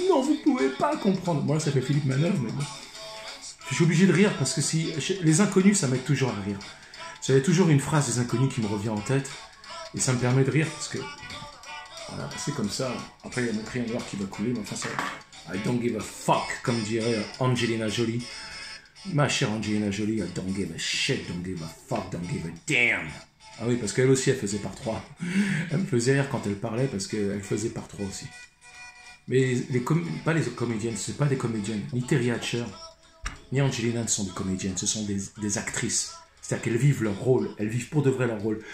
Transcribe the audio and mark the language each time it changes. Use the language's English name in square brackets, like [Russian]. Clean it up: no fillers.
[French] Non, vous pouvez pas comprendre. Bon, là, ça fait Philippe Manœuvre, mais bon. Je suis obligé de rire parce que si les inconnus, ça m'aide toujours à rire. J'avais toujours une phrase des inconnus qui me revient en tête et ça me permet de rire parce que voilà, c'est comme ça. Après, il y a notre rien noir qui va couler, mais enfin, ça. [English] I don't give a fuck, [French] comme dirait [English] Angelina Jolie. [French] Ma chère [English] Angelina Jolie, I don't give a shit, don't give a fuck, don't give a damn. [French] Ah oui, parce qu'elle aussi, elle faisait par trois. Elle me faisait rire quand elle parlait parce qu'elle faisait par trois aussi. Mais ce n'est pas des comédiennes. Ni Terry Hatcher, ni Angelina ne sont des comédiennes. Ce sont des actrices. C'est-à-dire qu'elles vivent leur rôle. Elles vivent pour de vrai leur rôle.